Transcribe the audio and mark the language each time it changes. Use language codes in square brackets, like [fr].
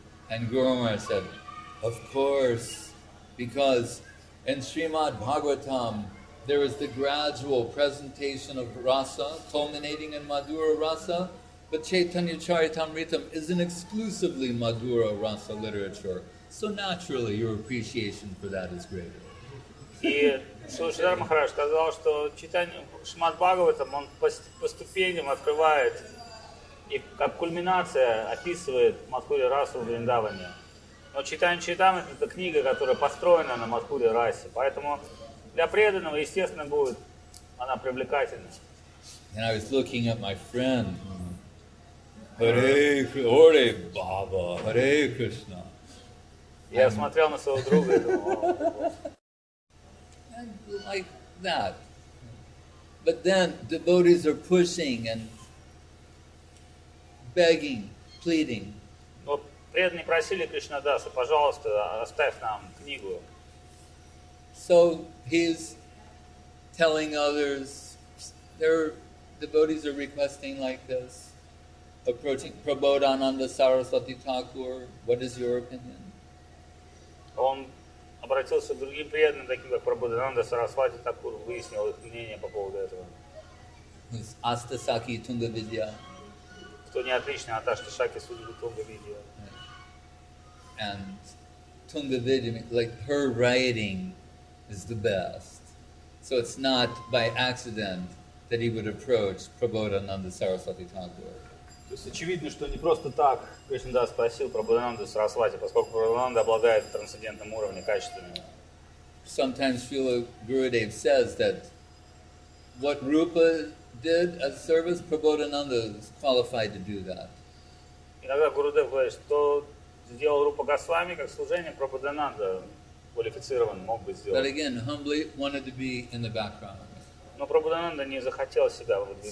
[en] And Guru Maharaj said, of course, because in Srimad Bhagavatam, there is the gradual presentation of rasa, culminating in Madhura rasa, but Chaitanya Charitamritam is an exclusively Madhura rasa literature. So naturally, your appreciation for that is greater. [ru] И Шридхар Махарадж сказал, что читание Шримад Бхагаватам он по ступеням открывает и как кульминация описывает Мадхуру расу Вриндаване. Но читание Чайтамриты — это книга, которая построена на Мадхуре расе, поэтому для преданного, естественно, будет она привлекательность. [en] And I was looking at my friend. [sa] Hare Krishna, Hare Baba, Hare Krishna. [ru] Я смотрел на своего друга и думал, [en] о, like that. But then devotees are pushing and begging, pleading. [ru] Но преданные просили Кришнадаса, пожалуйста, оставь нам книгу. [en] So he's telling others, their devotees are requesting like this, approaching Prabodhananda Saraswati Thakur, what is your opinion? [ru] Он обратился к другим преданным, таким как Прабхудананда Сарасвати Такур, выяснил их мнение по поводу этого. Астасаки Тунгавидья. Кто не отличный от Астасаки Тунгавидья. [en] And Тунгавидья, like her writing, is the best. So it's not by accident that he would approach Prabodhananda Saraswati Thakur. [ru] То есть очевидно, что не просто так Кришнадас спросил Прабхудананда Сарасвати, поскольку Прабхудананда обладает трансцендентным уровнем, качественным. [en] Sometimes Srila Gurudev says that what Rupa did as service, Prabodhananda is qualified to do that. [ru] Иногда Гурудев говорит, что сделал Рупа Госвами как служение, Прабхудананда квалифицирован, мог бы сделать. [en] But again, humbly wanted to be in the background. [ru] Но Прабхудананда не захотел себя выдвигать.